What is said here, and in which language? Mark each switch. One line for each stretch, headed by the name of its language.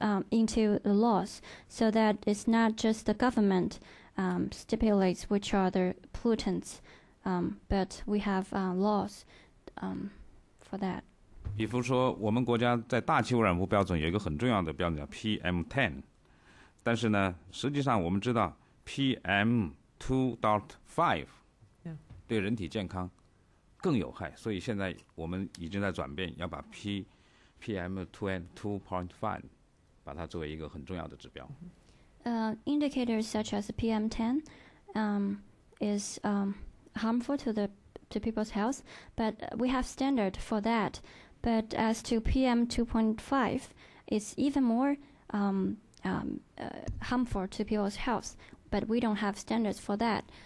English: Into the laws, so that it's not just the government stipulates which are the pollutants, but we have laws for that.
Chinese: 比如说，我们国家在大气污染物标准有一个很重要的标准叫 PM10， 但是呢，实际上我们知道 PM2.5 对人体健康更有害，所以现在我们已经在转变，要把 PM2.5 把它作为一个很重要的指标。
English: Indicators such as PM10 is harmful to people's health, but we have standard for that. But as to PM2.5, it's even more harmful to people's health, but we don't have standards for that.